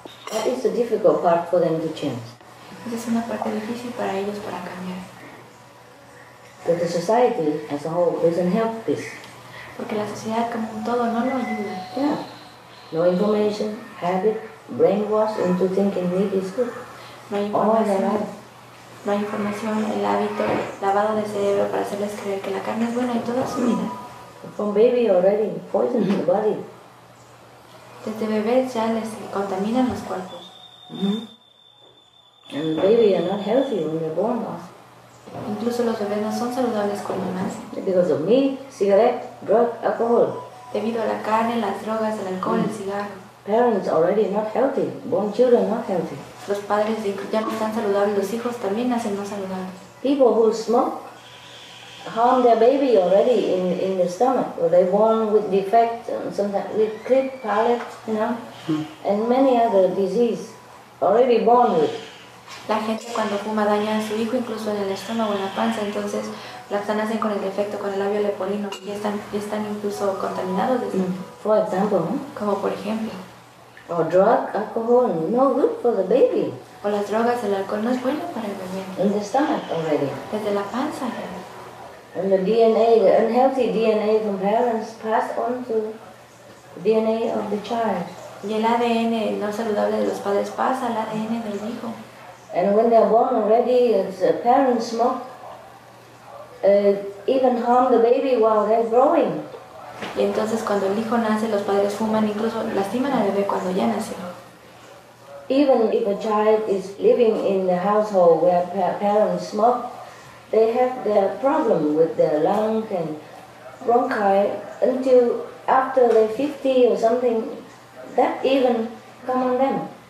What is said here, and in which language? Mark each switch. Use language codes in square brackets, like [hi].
[en] That is the difficult part for them to change. [es] Esa es una parte difícil para ellos para cambiar. [en] But the society as a whole doesn't help this. [es] Porque la sociedad como un todo no lo ayuda. [en] Yeah. No information, habit, brainwash into thinking meat is good. [es] No hay información. No hay información, el hábito, lavado de cerebro para hacerles creer que la carne es buena y toda su vida. [en] From baby already poisons the body. [es] Desde bebés ya les contaminan los cuerpos. [en] And babies are not healthy when they're born. [es] Incluso los bebés no son saludables cuando nacen. [en] Because of meat, cigarette, drug, alcohol. [es] Debido a la carne, las drogas, el alcohol, el cigarro. [en] Parents already not healthy. Born children not healthy. [es] Los padres ya no están saludables. Los hijos también nacen no saludables. [en] People who smoke harm their baby already in the stomach, or they born with defect, and sometimes with clipped palate, you know, and many other diseases already born with. [es] La gente cuando fuma daña a su hijo incluso en el estómago o en la panza, entonces las nacen con el defecto con el labio leporino y están incluso contaminados desde [en] For example, [es] como por ejemplo. [en] Or drug, alcohol, no good for the baby. [es] O las drogas, el alcohol no es bueno para el bebé. [en] In the stomach already. [es] Desde la panza. [en] And the DNA, the unhealthy DNA from parents pass on to DNA of the child. [es] Y el ADN no saludable de los padres pasa al ADN del hijo. [en] And when they are born already, the parents smoke, even harm the baby while they're growing. [es] Y entonces cuando el hijo nace, los padres fuman, incluso lastiman al bebé cuando ya nació. [en] Even if a child is living in the household where parents smoke, they have their problem with their lung and bronchi until after they're 50 or something, that even come on them.